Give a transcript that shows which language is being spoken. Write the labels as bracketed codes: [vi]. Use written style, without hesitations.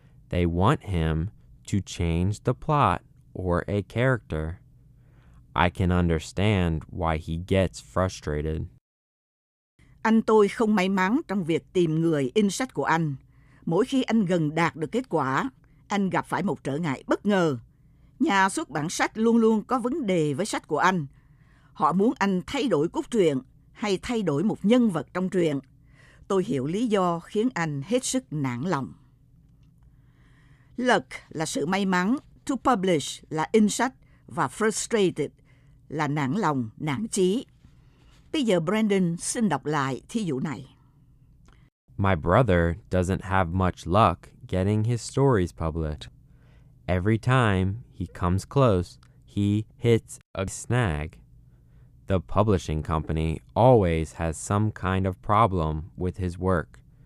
[en] They want him to change the plot or a character. I can understand why he gets frustrated. [vi] Anh tôi không may mắn trong việc tìm người in sách của anh. Mỗi khi anh gần đạt được kết quả, anh gặp phải một trở ngại bất ngờ. Nhà xuất bản sách luôn luôn có vấn đề với sách của anh. Họ muốn anh thay đổi cốt truyện hay thay đổi một nhân vật trong truyện. Tôi hiểu lý do khiến anh hết sức nản lòng. Luck là sự may mắn, [en] to publish [vi] là in sách và frustrated là nản lòng, nản chí. Bây giờ Brandon xin đọc lại thí dụ này. [en] My brother doesn't have much luck getting his stories published. Every time he comes close, he hits a snag. The publishing company always has some kind of problem with his work.